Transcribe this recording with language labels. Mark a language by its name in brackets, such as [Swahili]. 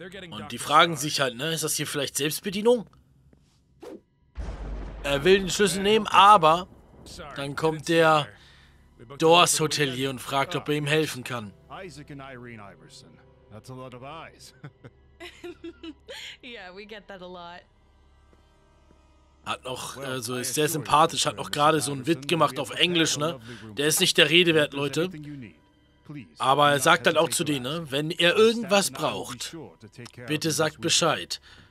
[German] Und die fragen sich halt, ne, ist das hier vielleicht Selbstbedienung? Er will den Schlüssel nehmen, aber dann kommt der Dors Hotelier und fragt, ob er ihm helfen kann. [English] Isaac und Irene Iverson, that's a lot of eyes. Yeah, we get that a lot. [German] Hat noch, also ist sehr sympathisch, hat noch gerade so einen Witz gemacht auf Englisch, ne? Der ist nicht der Rede wert, Leute. Aber er sagt halt auch zu denen, ne? Wenn ihr irgendwas braucht, bitte sagt Bescheid.